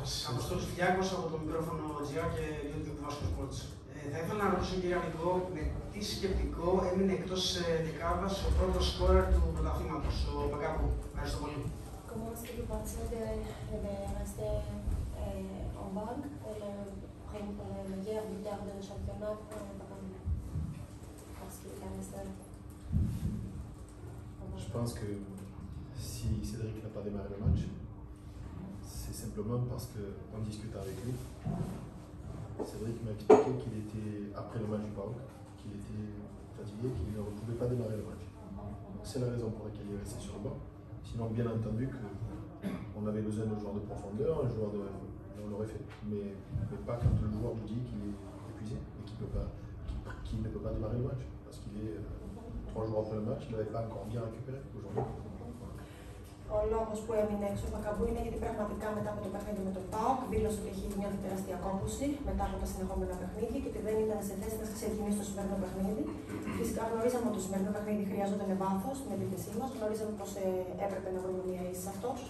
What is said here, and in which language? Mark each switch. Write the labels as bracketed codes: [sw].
[el] Αποστόλης Φιλιάκος από το μικρόφωνο GR και YouTube Vasco Sports. Θα ήθελα να ρωτήσω, κύριε Αλικό, με τι σκεπτικό έμεινε εκτός δεκάδας ο πρώτος σκόρερ του πρωταθλήματος, ο Μπακάπου. Ευχαριστώ πολύ. [fr] Comment est-ce que vous pensez de rester en banque pour le meilleur buteur de championnat pour le Bacabou? Parce qu'il est un seul. Je pense que si Cédric n'a pas démarré le match, c'est simplement parce qu'en discutant avec lui, Cédric m'a expliqué qu'il était, après le match du Baroque, qu'il était fatigué, qu'il ne pouvait pas démarrer le match. c'est la raison pour laquelle il est resté sur le banc. Sinon, bien entendu, qu'on avait besoin de joueurs de profondeur, un joueur de, on l'aurait fait. Mais pas quand le joueur nous dit qu'il est épuisé et qu'il ne peut pas démarrer le match. Parce qu'il est trois jours après le match, il n'avait pas encore bien récupéré aujourd'hui. [el] Ο λόγος που έμεινε έξω ο Μακαμπού είναι γιατί πραγματικά μετά από το παιχνίδι με τον ΠΑΟΚ δήλωσε ότι έχει μια τεράστια κόμπωση μετά από τα συνεχόμενα παιχνίδια και ότι δεν ήταν σε θέση να ξεκινήσει το σημερινό παιχνίδι. Φυσικά γνωρίζαμε ότι το σημερινό παιχνίδι χρειαζόταν βάθος στην επίθεσή μας, γνωρίζαμε πως έπρεπε να βρούμε μια λύση σε αυτό.